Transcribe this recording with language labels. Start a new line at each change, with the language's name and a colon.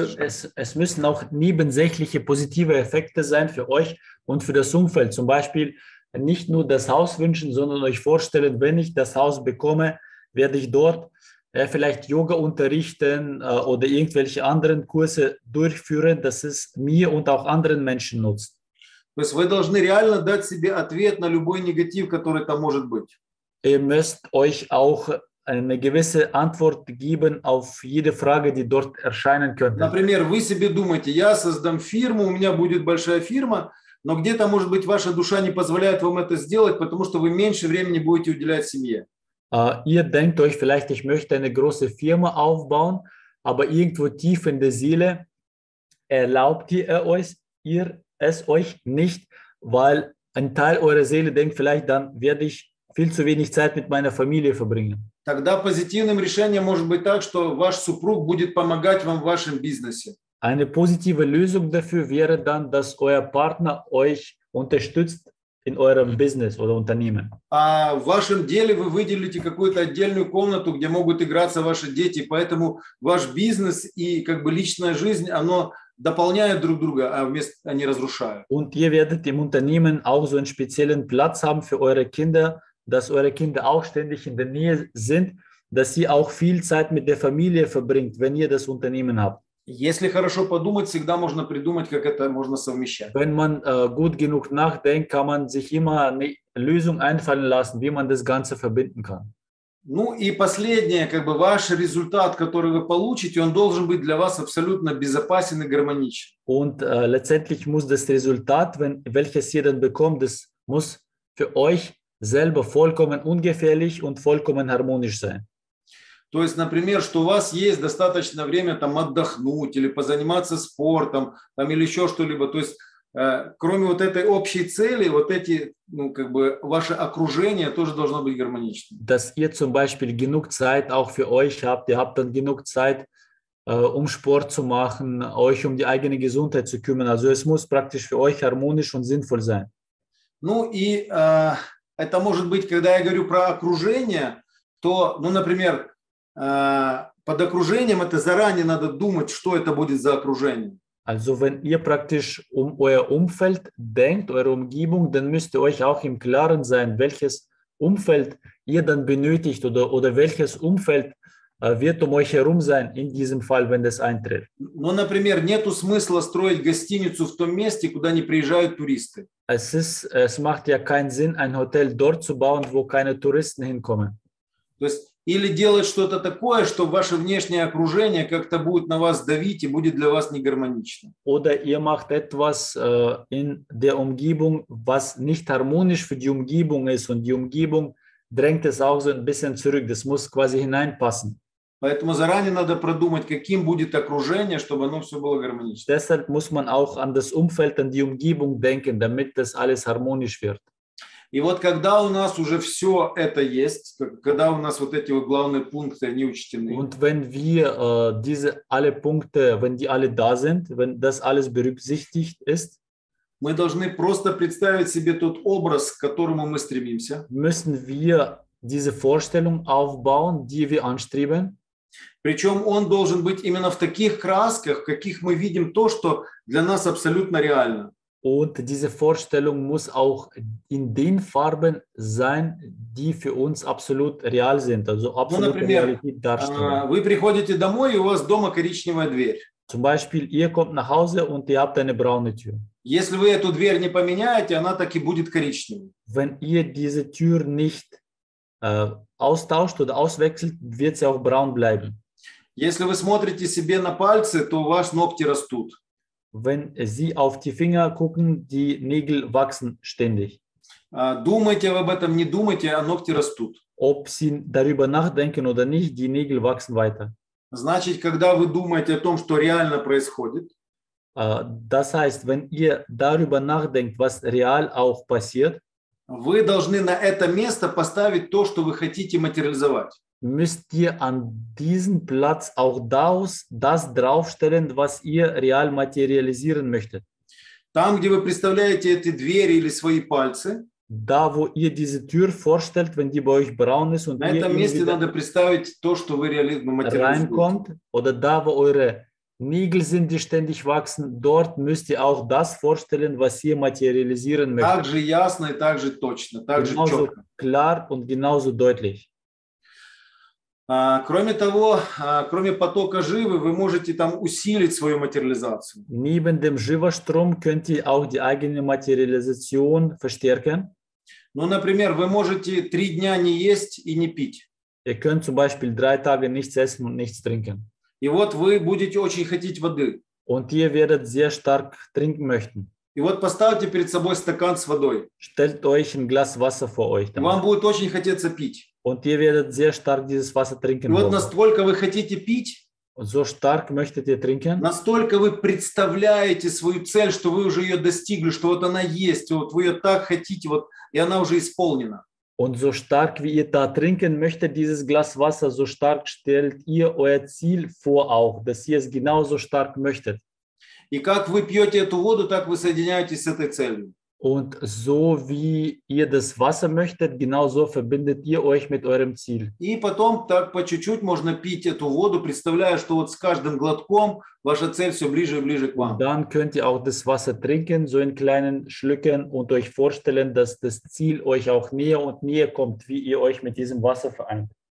German: Es müssen auch nebensächliche positive Effekte sein für euch und für das Umfeld. Zum Beispiel nicht nur das Haus wünschen, sondern euch vorstellen, wenn ich das Haus bekomme, werde ich dort vielleicht Yoga unterrichten oder irgendwelche anderen Kurse durchführen, dass es mir und auch anderen Menschen nutzt.
Russian: То есть вы должны реально дать себе ответ на любой негатив, который там может быть.
German: Ihr müsst euch auch eine gewisse Antwort geben auf jede Frage, die dort erscheinen könnte.
Russian: Например, вы себе думаете, я создам фирму, у меня будет большая фирма, но где-то, может быть, ваша душа не позволяет вам это сделать, потому что вы меньше времени будете уделять семье.
German: Ihr denkt euch vielleicht, ich möchte eine große Firma aufbauen, aber irgendwo tief in der Seele erlaubt ihr es euch nicht, weil ein Teil eurer Seele denkt, vielleicht dann werde ich viel zu wenig Zeit mit meiner Familie verbringen.
Russian: Тогда позитивным решением может быть так, что ваш супруг будет помогать вам в вашем бизнесе.
German: Eine positive Lösung dafür wäre dann, dass euer Partner euch unterstützt in eurem Business oder Unternehmen.
Russian: А в вашем деле вы выделите какую-то отдельную комнату, где могут играться ваши дети, поэтому ваш бизнес и как бы личная жизнь, оно дополняет друг друга, а вместо они разрушают.
German: Und ihr werdet im Unternehmen auch so einen speziellen Platz haben für eure Kinder, dass eure Kinder auch ständig in der Nähe sind, dass sie auch viel Zeit mit der Familie verbringt, wenn ihr das Unternehmen habt.
Russian: Если хорошо подумать, всегда можно придумать, как это можно совмещать.
German: Wenn man gut genug nachdenkt, kann man sich immer eine Lösung einfallen lassen, wie man das Ganze verbinden kann.
Russian: Ну и последнее, как бы ваш результат, который вы получите, он должен быть для вас абсолютно безопасен и гармоничен.
German: Und letztendlich muss das Resultat, welches ihr dann bekommt, das muss für euch selber vollkommen ungefährlich und vollkommen harmonisch sein.
Russian: То есть, например, что у вас есть достаточно время там отдохнуть или позаниматься спортом, там или еще что-либо. То есть, кроме вот этой общей цели, вот эти, ну, как бы, ваше окружение тоже должно быть гармоничным.
German: Dass ihr zum Beispiel genug Zeit auch für euch habt, ihr habt dann genug Zeit, Sport zu machen, euch die eigene Gesundheit zu kümmern. Also es muss praktisch für euch harmonisch und sinnvoll sein.
Russian: Ну и это может быть, когда я говорю про окружение, то, ну, например, под окружением это заранее надо думать, что это будет за окружение.
German: Also wenn ihr praktisch euer Umfeld denkt, eure Umgebung, dann müsst ihr euch auch im Klaren sein, welches Umfeld ihr dann benötigt oder welches Umfeld wird euch herum sein in diesem Fall, wenn das eintritt.
Russian: Ну, например, нету смысла строить гостиницу в том месте, куда не приезжают туристы.
German: Es macht ja keinen Sinn, ein Hotel dort zu bauen, wo keine Touristen hinkommen.
Russian: То есть или делать что-то такое, что ваше внешнее окружение как-то будет на вас давить и будет для вас негармонично.
German: Oder ihr macht etwas in der Umgebung, was nicht harmonisch für die Umgebung ist und die Umgebung drängt es auch so ein bisschen zurück. Das muss quasi hineinpassen.
Russian: Поэтому заранее надо продумать, каким будет окружение, чтобы оно все было гармонично.
German: Deshalb muss man auch an das Umfeld, an die Umgebung denken, damit das alles harmonisch wird.
Russian: И вот когда у нас уже все это есть, когда у нас вот эти вот главные пункты, они учтены.
German: Und wenn wir diese alle Punkte, wenn die alle da sind, wenn das alles berücksichtigt ist,
Russian: мы должны просто представить себе тот образ, к которому мы стремимся.
German: Müssen wir diese Vorstellung aufbauen, die wir anstreben.
Russian: Причем он должен быть именно в таких красках, каких мы видим то, что для нас абсолютно реально.
German: Und diese Vorstellung muss auch in den Farben sein, die für uns absolut real sind, also absolut Realität darstellen.
Russian: Вы приходите домой, и у вас дома коричневая дверь.
German: Zum Beispiel, ihr kommt nach Hause und ihr habt eine braune Tür.
Russian: Если вы эту дверь не поменяете, она так и будет коричневой.
German: Wenn ihr diese Tür nicht austauscht oder auswechselt, wird sie auch braun bleiben.
Russian: Если вы смотрите себе на пальцы, то ваши ногти растут.
German: Wenn Sie auf die Finger gucken, die Nägel wachsen ständig.
Russian: Думайте об этом, не думайте, а ногти растут.
German: Ob Sie darüber nachdenken oder nicht, die Nägel wachsen weiter.
Russian: Значит, когда вы думаете о том, что реально происходит.
German: Das heißt, wenn ihr darüber nachdenkt, was real auch passiert.
Russian: Вы должны на это место поставить то, что вы хотите материализовать.
German: Müsst ihr an diesen Platz auch das draufstellen, was ihr real materialisieren möchtet.
Russian: Там, где вы представляете эти двери или свои пальцы,
German: da, wo ihr diese Tür vorstellt, wenn die bei euch braun ist und
Russian: на этом месте надо представить то, что вы реально материализуете.
German: Reinkommt, oder da, wo eure Nägel sind, die ständig wachsen, dort müsst ihr auch das vorstellen, was ihr materialisieren möchtet.
Russian: Так же ясно и так же точно, так же
German: genauso
Russian: четко.
German: Klar und genauso deutlich.
Russian: Кроме того, кроме потока живы, вы можете там усилить свою материализацию.
German: Neben dem Живострom könnt ihr auch die eigene Materialisation verstärken.
Russian: Ну, например, вы можете 3 дня не есть и не пить.
German: Ihr könnt zum Beispiel 3 Tage nichts essen und nichts trinken.
Russian: И вот вы будете очень хотеть воды.
German: Und ihr werdet sehr stark trinken möchten.
Russian: И вот поставьте перед собой стакан с водой.
German: Stellt euch ein Glas Wasser vor euch. Damit.
Russian: Вам будет очень хотеться пить.
German: Und ihr werdet sehr stark dieses Wasser trinken.
Russian: И вот настолько вы хотите пить.
German: Und so stark möchtet ihr trinken.
Russian: Настолько вы представляете свою цель, что вы уже ее достигли, что вот она есть, вот вы ее так хотите, вот, и она уже исполнена.
German: Und so stark, wie ihr da trinken möchtet, dieses Glas Wasser, so stark stellt ihr euer Ziel vor auch, dass ihr es genauso stark möchtet.
Russian: И как вы пьете эту воду, так вы соединяетесь с этой целью.
German: Und so wie ihr das Wasser möchtet, genauso verbindet ihr euch mit eurem Ziel.
Russian: И потом так по чуть-чуть можно пить эту воду, представляя, что вот с каждым глотком ваша цель все ближе и ближе к вам.
German: Dann könnt ihr auch das Wasser trinken, so in kleinen Schlücken und euch vorstellen, dass das Ziel euch auch näher und näher kommt, wie ihr euch mit diesem Wasser vereint.